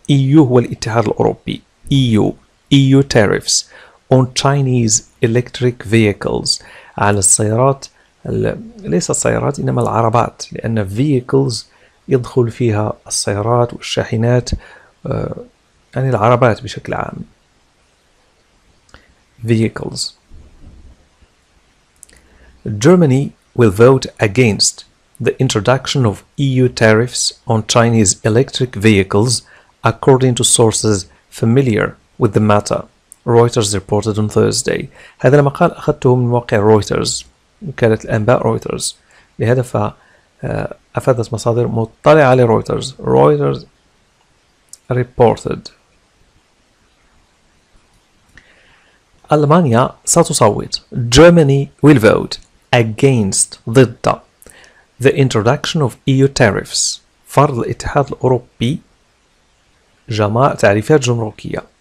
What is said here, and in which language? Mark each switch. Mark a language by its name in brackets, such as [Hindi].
[Arabic] EU هو الاتحاد الأوروبي، [English] EU tariffs on Chinese electric vehicles، [Arabic] على السيارات، ليس السيارات إنما العربات، لأن vehicles يدخل فيها السيارات والشاحنات، يعني العربات بشكل عام vehicles. [English] Germany will vote against the introduction of EU tariffs on Chinese electric vehicles according to sources familiar with the matter. Reuters reported on Thursday. [Arabic] هذا المقال أخذته من موقع رويترز، وكالة الأنباء رويترز، لهذا أفادت مصادر مطلعة على رويترز. رويترز [English] reported. [Arabic] ألمانيا ستصوت. [English] Germany will vote against، [Arabic] ضد، [English] the introduction of EU tariffs، [Arabic] فرض الاتحاد الأوروبي جمع تعريفات جمركية.